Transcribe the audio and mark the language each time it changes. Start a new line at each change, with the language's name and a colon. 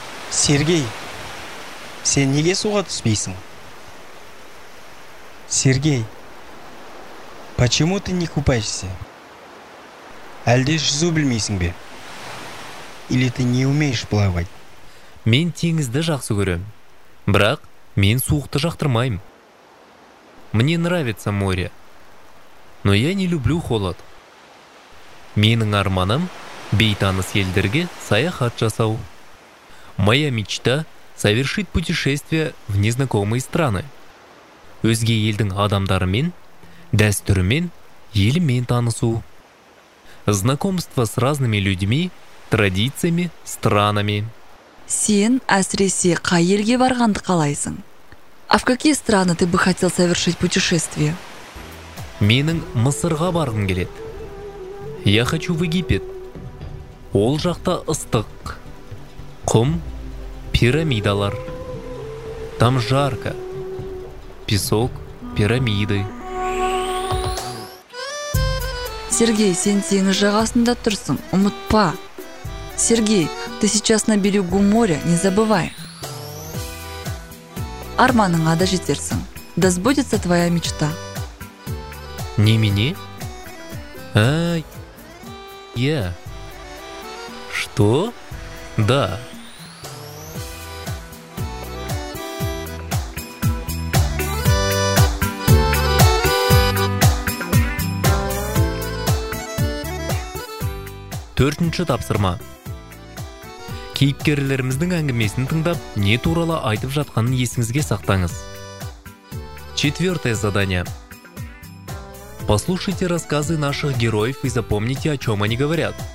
Kazakh: Сергей, сен неге суға түспейсің?
Russian: Сергей, почему ты не купаешься?
Kazakh: Әлде жүзу білмейсің бе?
Russian: Или ты не умеешь плавать?
Kazakh: Мен теңізді жақсы көрем. Бірақ мен суықты жақтырмайым.
Russian: Мне нравится море. Но я не люблю холод.
Kazakh: Менің арманым бейтаныс елдерге саяхат жасау.
Russian: Моя мечта – совершить путешествие в незнакомые страны.
Kazakh: Өзге елдің адамдарымен, дәстүрімен, елімен танысу.
Russian: Знакомство с разными людьми, традициями, странами.
Kazakh: Сен әсіресе қай елге барғанды қалайсың?
Russian: А в какие страны ты бы хотел совершить путешествие?
Kazakh: Менің Мысырға барғым келеді.
Russian: Я хочу в Египет.
Kazakh: Ол жақта ыстық. Құм. Пирамидалар.
Russian: Там жарко. Песок, пирамиды.
Kazakh: Сергей, сен теңіз жағасында тұрсың, ұмытпа.
Russian: Сергей, ты сейчас на берегу моря, не забывай.
Kazakh: Арманыңа да жетерсің.
Russian: Да сбудется твоя мечта. Не мини? А, я. Что? Да. Төртінші тапсырма. Кейіпкерлеріміздің әңгімесін тыңдап, не туралы айтып жатқанын есіңізге сақтаңыз. Четвертое задание. Послушайте рассказы наших героев и запомните, о чем они говорят.